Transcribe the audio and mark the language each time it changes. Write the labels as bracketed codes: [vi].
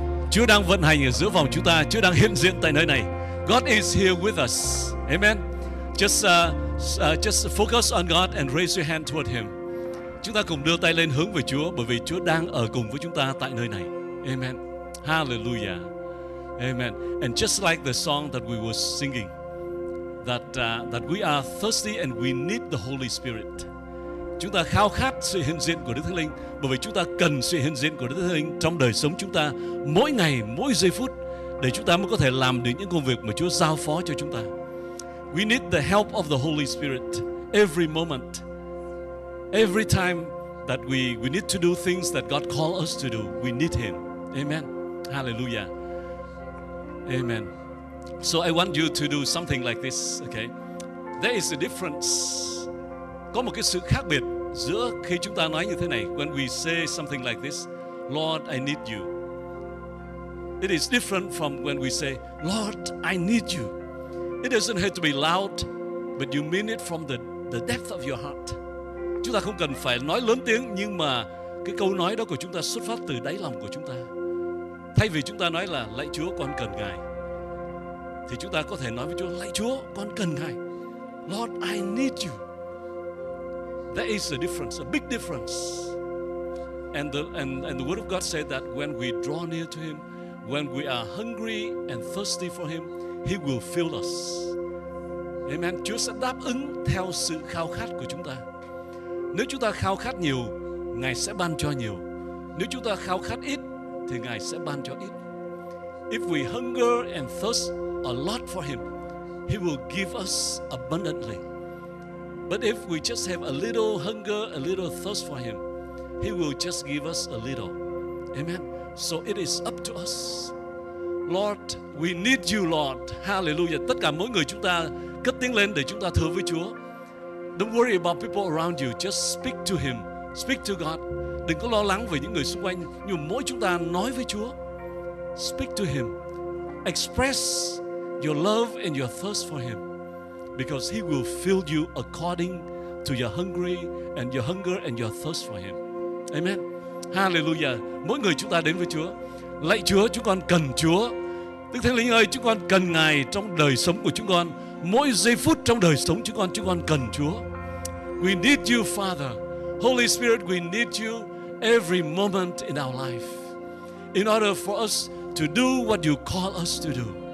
[vi] Chúa đang vận hành ở giữa vòng chúng ta. Chúa đang hiện diện tại nơi này. [en] God is here with us. Amen. Just focus on God and raise your hand toward Him. [vi] Chúng ta cùng đưa tay lên hướng về Chúa, bởi vì Chúa đang ở cùng với chúng ta tại nơi này. [en] Amen. Hallelujah. Amen. And just like the song that we were singing, that we are thirsty and we need the Holy Spirit. [vi] Chúng ta khao khát sự hiện diện của Đức Thánh Linh, bởi vì chúng ta cần sự hiện diện của Đức Thánh Linh trong đời sống chúng ta mỗi ngày, mỗi giây phút, để chúng ta mới có thể làm được những công việc mà Chúa giao phó cho chúng ta. [en] We need the help of the Holy Spirit every moment, every time that we need to do things that God calls us to do. We need Him. Amen. Hallelujah. Amen. So I want you to do something like this, okay? There is a difference. [vi] Có một cái sự khác biệt giữa khi chúng ta nói như thế này, [en] when we say something like this, Lord, I need you. It is different from when we say, Lord, I need you. It doesn't have to be loud, but you mean it from the depth of your heart. [vi] Chúng ta không cần phải nói lớn tiếng, nhưng mà cái câu nói đó của chúng ta xuất phát từ đáy lòng của chúng ta. Thay vì chúng ta nói là lạy Chúa con cần Ngài, thì chúng ta có thể nói với Chúa, lạy Chúa con cần Ngài. [en] Lord, I need you. There is a difference, a big difference. And the word of God said that when we draw near to Him, when we are hungry and thirsty for Him, He will fill us. Amen. [vi] Chúa sẽ đáp ứng theo sự khao khát của chúng ta. Nếu chúng ta khao khát nhiều, Ngài sẽ ban cho nhiều. Nếu chúng ta khao khát ít, thì Ngài sẽ ban cho ít. [en] If we hunger and thirst a lot for Him, He will give us abundantly. But if we just have a little hunger, a little thirst for Him, He will just give us a little. Amen. So it is up to us. Lord, we need you, Lord. Hallelujah. [vi] Tất cả mỗi người chúng ta cất tiếng lên để chúng ta thưa với Chúa. [en] Don't worry about people around you. Just speak to Him. Speak to God. [vi] Đừng có lo lắng về những người xung quanh. Nhưng mỗi chúng ta nói với Chúa. [en] Speak to Him. Express your love and your thirst for Him. Because He will fill you according to your hungry and your hunger and your thirst for Him. Amen. Hallelujah. [vi] Mỗi người chúng ta đến với Chúa. Lạy Chúa, chúng con cần Chúa. Đức Thánh Linh ơi, chúng con cần Ngài trong đời sống của chúng con. Mỗi giây phút trong đời sống chúng con cần Chúa. [en] We need you, Father. Holy Spirit, we need you every moment in our life. In order for us to do what you call us to do.